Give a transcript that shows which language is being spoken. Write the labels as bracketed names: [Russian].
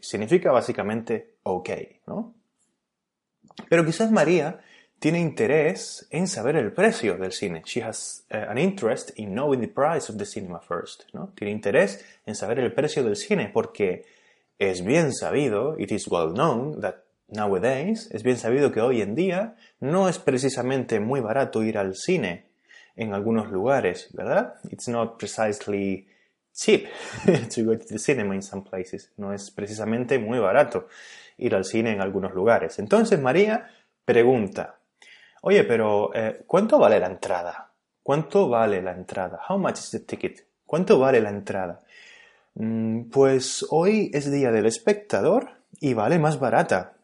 [Spanish] Significa básicamente ok, ¿no? Pero quizás María tiene interés en saber el precio del cine. [English] She has an interest in knowing the price of the cinema first, [Spanish] ¿no? Tiene interés en saber el precio del cine porque es bien sabido, [English] it is well known that nowadays, [Spanish] es bien sabido que hoy en día no es precisamente muy barato ir al cine en algunos lugares, ¿verdad? [English] It's not precisely cheap to go to the cinema in some places. [Spanish] No es precisamente muy barato ir al cine en algunos lugares. Entonces María pregunta, oye, pero ¿cuánto vale la entrada? ¿Cuánto vale la entrada? [English] How much is the ticket? [Spanish] ¿Cuánto vale la entrada? Pues hoy es día del espectador y vale más barata.